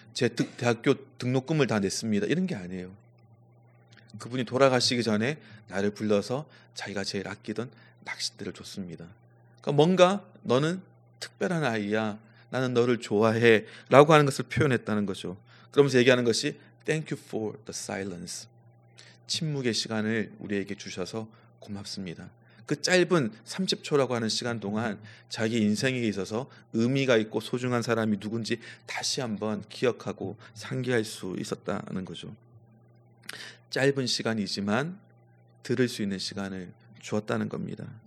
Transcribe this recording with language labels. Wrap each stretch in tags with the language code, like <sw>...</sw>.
<ko>제 대학교 등록금을 다 냈습니다. 이런 게 아니에요. 그분이 돌아가시기 전에 나를 불러서 자기가 제일 아끼던 낚싯대를 줬습니다. 그러니까 뭔가 너는 특별한 아이야. 나는 너를 좋아해. 라고 하는 것을 표현했다는 거죠. 그러면서 얘기하는 것이</ko> <en>Thank you for the silence.</en> <ko>침묵의 시간을 우리에게 주셔서 고맙습니다. 그 짧은 30초라고 하는 시간 동안 자기 인생에 있어서 의미가 있고 소중한 사람이 누군지 다시 한번 기억하고 상기할 수 있었다는 거죠. 짧은 시간이지만 들을 수 있는 시간을 주었다는 겁니다.</ko>